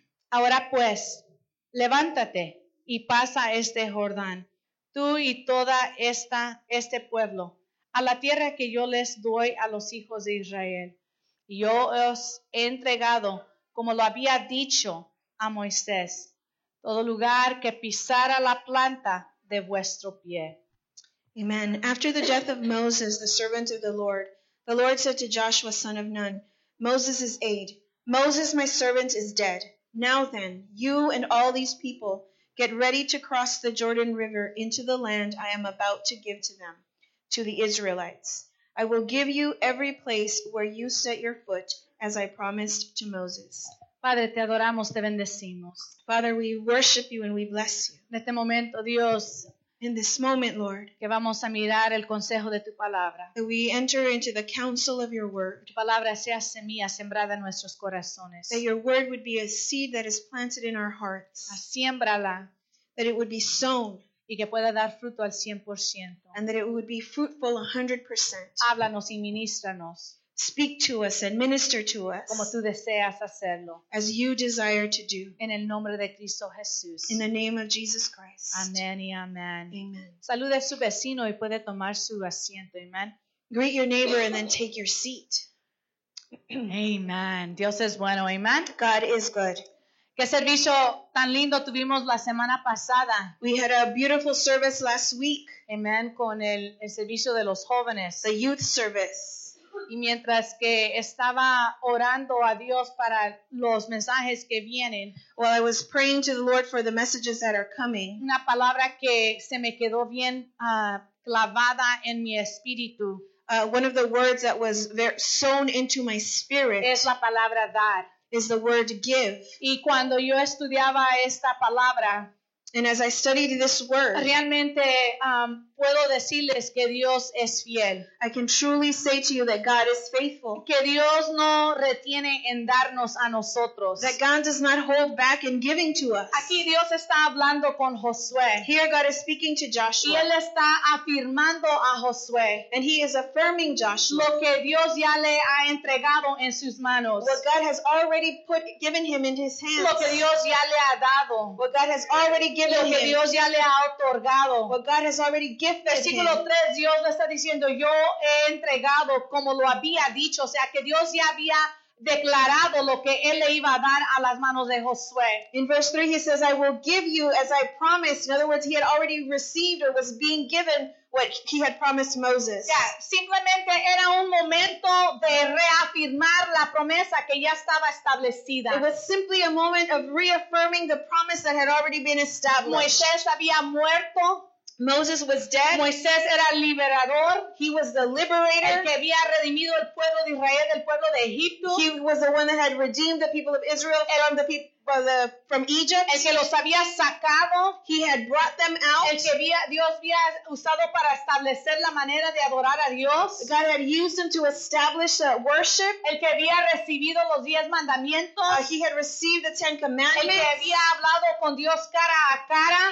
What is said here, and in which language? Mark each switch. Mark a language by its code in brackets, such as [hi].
[es] Ahora pues, levántate y pasa este Jordán, tú y toda este pueblo, a la tierra que yo les doy a los hijos de Israel. Yo os he entregado, como lo había dicho a Moisés, todo lugar que pisara la planta de vuestro pie. Amen. [en] After the death of Moses, the servant of the Lord said to Joshua, son of Nun, Moses' aide, Moses, my servant, is dead. Now then, you and all these people, get ready to cross the Jordan River into the land I am about to give to them, to the Israelites. I will give you every place where you set your foot, as I promised to Moses. [es] Padre, te adoramos, te bendecimos. [en] Father, we worship you and we bless you. [es] En este momento, Dios. [en] In this moment, Lord, [es] que vamos a mirar el consejo de tu palabra. [en] That we enter into the counsel of your word. [es] Tu palabra sea semilla sembrada en nuestros corazones. [en] That your word would be a seed that is planted in our hearts. [es] Asiémbrala. [en] That it would be sown. [es] Y que pueda dar fruto al 100%. [en] And that it would be fruitful 100%. [es] Háblanos y ministranos. [en] Speak to us and minister to us. [es] Como tú deseas hacerlo. [en] As you desire to do. [es] En el nombre de Cristo Jesús. [en] In the name of Jesus Christ. [es] Amen y amen. Amen. Salude a su vecino y puede tomar su asiento. Amen. [en] Greet your neighbor and then take your seat. [es] Amen. Dios es bueno. Amen. [en] God is good. [es] Qué servicio tan lindo tuvimos la semana pasada. [en] We had a beautiful service last week. [es] Amen. Con el servicio de los jóvenes. [en] The youth service. [es] Y mientras que estaba orando a Dios para los mensajes que vienen, [en] while I was praying to the Lord for the messages that are coming, [es] una palabra que se me quedó bien clavada en mi espíritu, [en] one of the words that was sown into my spirit, [es] es la palabra dar, [en] is the word give. [es] Y cuando yo estudiaba esta palabra, [en] and as I studied this word, [es] realmente puedo decirles que Dios es fiel. [en] I can truly say to you that God is faithful. [es] Que Dios no retiene en darnos a nosotros. [en] That God does not hold back in giving to us. [es] Aquí Dios está hablando con Josué. [en] Here God is speaking to Joshua. [es] Y él está afirmando a Josué. [en] And he is affirming Joshua. [es] Lo que Dios ya le ha entregado en sus manos. [en] What God has already given him in his hands. [es] Lo que Dios ya le ha dado. [en] What God has already given [es] lo que [en] him. [es] Dios ya le ha otorgado. [en] What God has already gifted him. [es] Versículo 3, Dios le está diciendo, yo he entregado como lo había dicho. O sea, que Dios ya había declarado lo que él le iba a dar a las manos de Josué. [en] In verse 3, he says, I will give you as I promised. In other words, he had already received or was being given what he had promised Moses. [es] Yeah, simplemente era un momento de reafirmar la promesa que ya estaba establecida. [en] It was simply a moment of reaffirming the promise that had already been established. [es] Moisés había muerto. [en] Moses was dead. [es] Moisés era liberador. [en] He was the liberator. [es] El que había redimido el pueblo de Israel del pueblo de Egipto. [en] He was the one that had redeemed the people of Israel from Egypt. [es] El que los había sacado. [en] He had brought them out. [es] El que Dios había usado para establecer la manera de adorar a Dios. [en] God had used him to establish worship. [es] El que había recibido los 10 mandamientos. [en] He had received the 10 commandments. [es] El que había hablado con Dios cara a cara.